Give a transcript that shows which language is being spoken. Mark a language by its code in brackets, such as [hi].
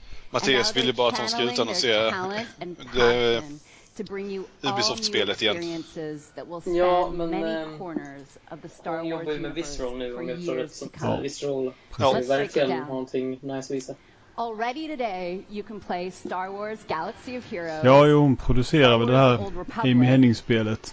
[sv] Mattias vill ju bara att hon ska ut och se Ubisoft-spelet igen. Ja, men hon jobbar ju med Visceral nu, om jag förstår rätt. Visceral har verkligen någonting nice att visa. [en] Already today you can play Star Wars Galaxy of Heroes. [sv] Ja, jo, hon producerar väl det här Amy Hennings-spelet.